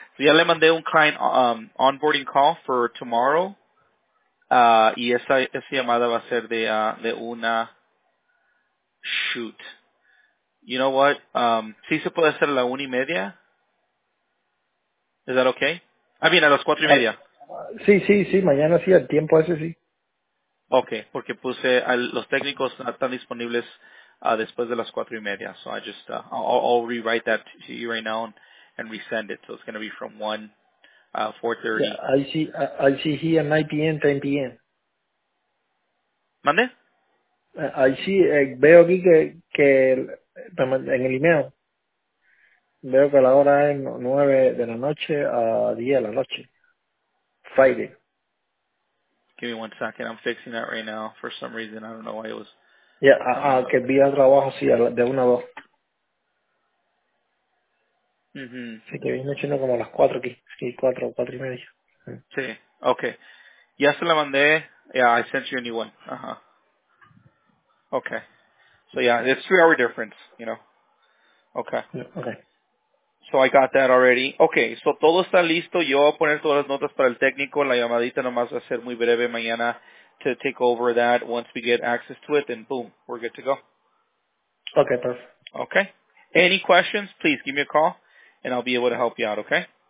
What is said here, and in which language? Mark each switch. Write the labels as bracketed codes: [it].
[es] So, ya le mandé un [en] client onboarding call for tomorrow, [es] y esa llamada va a ser de una shoot. [en] You know what? [es] Sí se puede hacer a la 1:30. [en] Is that okay? [es] Ah, bien, a las 4:30. Sí, sí, sí, mañana sí, el tiempo ese sí. Okay, porque puse, los técnicos están disponibles después de las 4:30. [en] So I just, I'll rewrite that to you right now and resend it. So it's going to be from 1, 4:30. Yeah, I'll see here 9 p.m., 10 p.m. [es] ¿Mande? [en] I see, [es] veo aquí que en el email. Veo que la hora es 9 de la noche a 10 de la noche. [en] Friday. Give me one second. I'm fixing that right now. For some reason, I don't know why it was... [es] Yeah, que vi el trabajo así de 1 a 2. Mm-hmm. Sí, que viene chino como a las 4 aquí. Sí, 4, 4 y medio. Sí, okay. Ya se la mandé. [en] Yeah, I sent you a new one. Okay. So, yeah, it's 3-hour difference, you know. Okay. Yeah, okay. So I got that already. Okay, so [es] todo está listo. Yo voy a poner todas las notas para el técnico. La llamadita nomás va a ser muy breve mañana [en] to take over that. Once we get access to it, then boom, we're good to go. Okay, perfect. Okay. Any questions, please give me a call, and I'll be able to help you out, okay?